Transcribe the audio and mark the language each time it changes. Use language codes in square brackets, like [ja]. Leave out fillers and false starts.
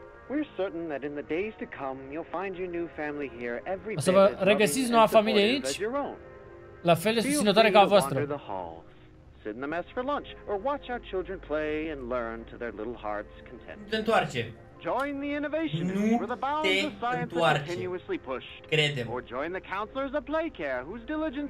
[en] We're certain that in the days to come you'll find your new family here every day. [ro] O să vă regăsiți noua familie aici. La fel de susținătoare ca a voastră. [en] Sit in the mess for lunch or watch our children play and learn to their little hearts content. [ro] Te întoarce. [en] Join the innovation [ro] nu [en] where the bounds of science are continuously pushed. [ro] Crede-mă. [en] Or join the counselors of play care whose diligence.